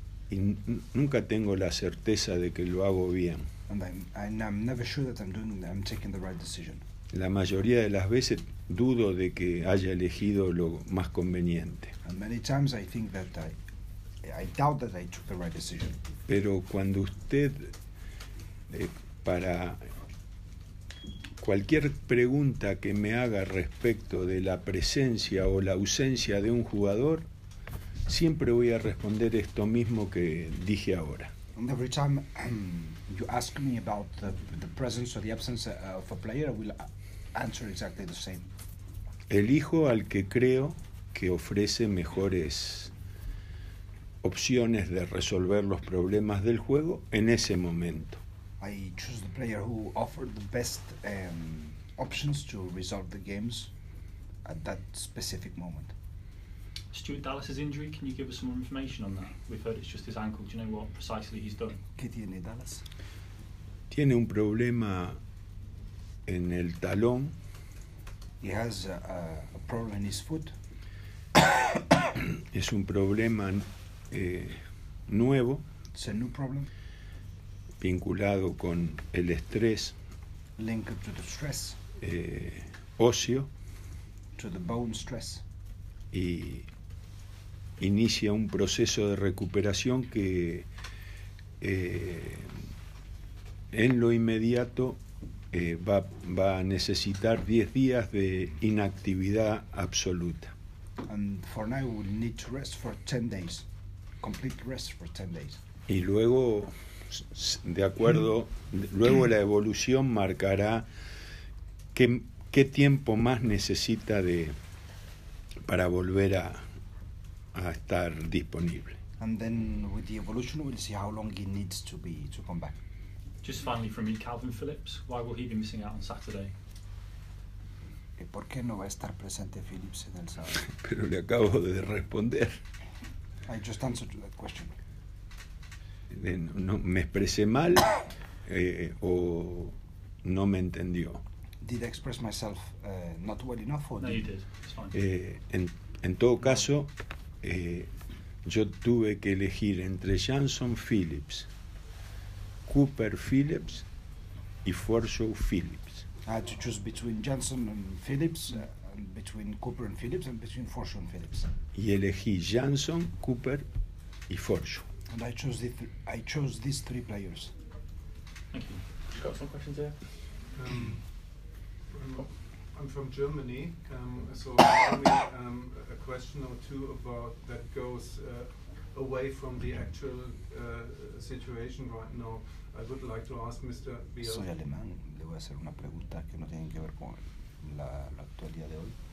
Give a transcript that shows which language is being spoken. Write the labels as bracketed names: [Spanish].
[Spanish] Y nunca tengo la certeza de que lo hago bien. [English] And I'm never sure that I'm taking the right decision. [Spanish] La mayoría de las veces dudo de que haya elegido lo más conveniente. [English] And many times I think that I doubt that I took the right decision. [Spanish] Pero cuando usted para cualquier pregunta que me haga respecto de la presencia o la ausencia de un jugador, siempre voy a responder esto mismo que dije ahora. [English] And every time you ask me about the presence or the absence of a player, I will answer exactly the same. [Spanish] Elijo al que creo que ofrece mejores opciones de resolver los problemas del juego en ese momento. [English] I choose the player who offered the best options to resolve the games at that specific moment. Stuart Dallas's injury, can you give us some more information on that? We've heard it's just his ankle. Do you know what precisely he's done? [Spanish] ¿Qué tiene Dallas? Tiene un problema en el talón. [English] He has a problem in his foot. [Spanish] Es un problema nuevo. [English] It's a new problem. [Spanish] Vinculado con el estrés. [English] Linked to the stress. [Spanish] Óseo. [English] To the bone stress. [Spanish] Y inicia un proceso de recuperación que en lo inmediato va a necesitar 10 días de inactividad absoluta. [English] And for now we will need to rest for 10 days. Complete rest for 10 days. [Spanish] Y luego, de acuerdo, luego la evolución marcará qué tiempo más necesita de para volver a estar disponible. [English] And then with the evolution we'll see how long he needs to be to come back. Just finally from me, Calvin Phillips, why will he be missing out on Saturday? [Spanish] ¿Y por qué no va a estar presente Phillips en el sábado? Pero le acabo de responder. [English] I just answered that question. [Spanish] No, me expresé mal o no me entendió. [English] Did I express myself not well enough? No, you did. It's fine. [Spanish] En todo caso, yo tuve que elegir entre Jansson Phillips, Cooper Phillips y Forshaw Phillips. [English] I had to choose between Jansson and Phillips, and between Cooper and Phillips, and between Forshaw and Phillips. [Spanish] Y elegí Jansson, Cooper y Forshaw. [English] And I chose these three players. Thank you. You've got some questions there? I'm from Germany, so tell me a question or two about that goes away from the actual situation right now. I would like to ask Mr. Biel. [Spanish] Soy alemán. Le voy a hacer una pregunta que no tiene que ver con la actualidad de hoy.